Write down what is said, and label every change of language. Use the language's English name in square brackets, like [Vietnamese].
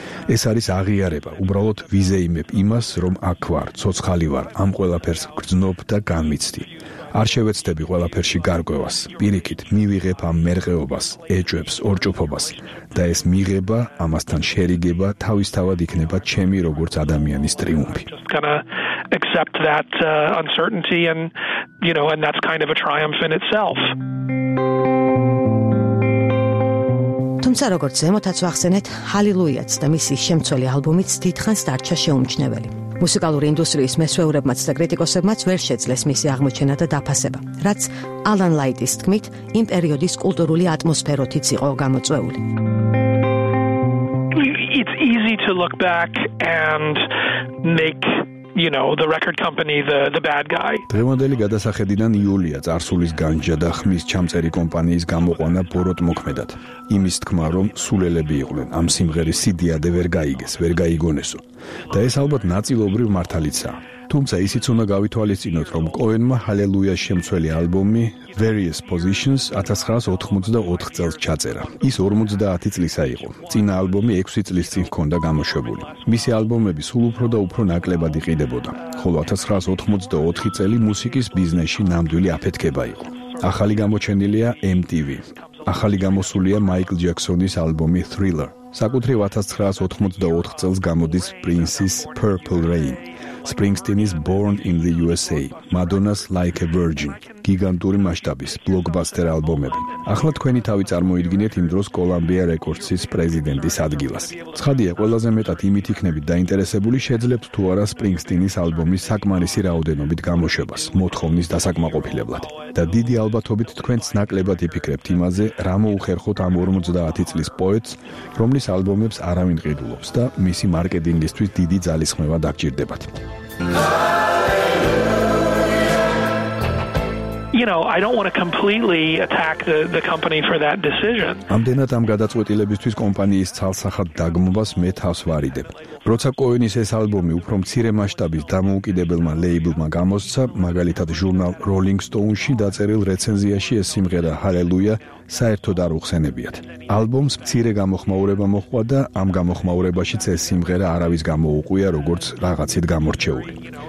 [Georgian] ეს არის აღიარება, უბრალოდ ვიზეიმებ იმას, რომ აქ ვარ, ცოცხალი ვარ, ამ ყველაფერს გრძნობ და განმიცდი. არ შევეცდები ყველაფერში გარკვევას, პირიქით მივიღებ ამ მერყეობას, ეჭვებს, ორჭოფობას და ეს მიღება, ამასთან შერიგება თავისთავად იქნება ჩემი როგორც ადამიანის ტრიუმფი. [English] Accept that uncertainty and you know and that's kind of a triumph in itself. [Georgian] თუმცა როგორც ზემოთაც ვახსენეთ, ჰალილუიაც და მისი შემცველი ალბომიც დიდხანს დარჩა შეუმჩნეველი. მუსიკალური ინდუსტრიის მესვეურებმაც და კრიტიკოსებმაც ვერ შეძლეს მისი აღმოჩენა და დაფასება, რაც ალან ლაიტის თქმით, იმ პერიოდის კულტურული ატმოსფეროთიც იყო გამოწვეული. [English] It's easy to look back and make you know the record company the bad guy. [Georgian] დღევანდელი გადასახედიდან იულია წარსულის განჯა და ხმის ჩამწერი კომპანიის გამოყვანა ბოროტ მოქმედად. იმის თქმა, რომ სულელები იყვნენ ამ სიმღერის სიდიადე ვერ გაიგეს, ვერ გაიგონესო. და ეს ალბათ ნაწილობრივ მართალიცაა. თუმცა ისიც უნდა გავითვალისწინოთ, რომ კოენმა ჰალელუიას შემცველი ალბომი Various Positions 1984 წელს ჩაწერა. ის 50 წლისა იყო. წინა ალბომი 6 წლის წინ ჰქონდა გამოშვებული. მისი ალბომები სულ უფრო და უფრო ნაკლებად იყიდებოდა. ხოლო 1984 წელი მუსიკის ბიზნესში ნამდვილი აფეთქება იყო. ახალი გამოჩენილია MTV. ახალი გამოსულია Michael Jackson-ის ალბომი Thriller. საკუთრივ 1984 წელს გამოდის Prince-ის Purple Rain. [English] Springsteen's Born in the USA, Madonna's Like a Virgin, [Georgian] გიგანტური მასშტაბის ბლოკბასტერ ალბომები. ახლა თქვენი თავი წარმოიდგინეთ იმ დროს Columbia Records-ის პრეზიდენტის ადგილას. ცხადია, ყველაზე მეტად იმით იქნებით დაინტერესებული, შეძლებთ თუ არა Springsteen-ის ალბომის საკმარისი რაოდენობით გამოშვებას, მოთხოვნის დასაკმაყოფილებლად. და დიდი ალბათობით თქვენც ნაკლებად იფიქრებთ იმაზე, რა მოუხერხოთ ამ 50 წლის პოეტს, რომლის ალბომებს არავინ ყიდულობს და მისი მარკეტინგისთვის დიდი ძალისხმევა დაგჭირდებათ. [English] You know, I don't want to completely attack the company for that decision. [Georgian] ამდენად ამ გადაწყვეტილებისთვის კომპანიის ცალსახად დაგმობას მე თავს ვარიდებ. როცა კოენის ეს ალბომი უფრო მცირე მასშტაბის დამოუკიდებელმა ლეიბლმა გამოსცა, მაგალითად ჟურნალ Rolling Stone-ში დაწერილ რეცენზიაში ეს სიმღერა Hallelujah საერთოდ არ უხსენებიათ. ალბომს მცირე გამოხმაურება მოჰყვა და ამ გამოხმაურებაშიც ეს სიმღერა არავის გამოუყვია, როგორც რაღაცით გამორჩეული.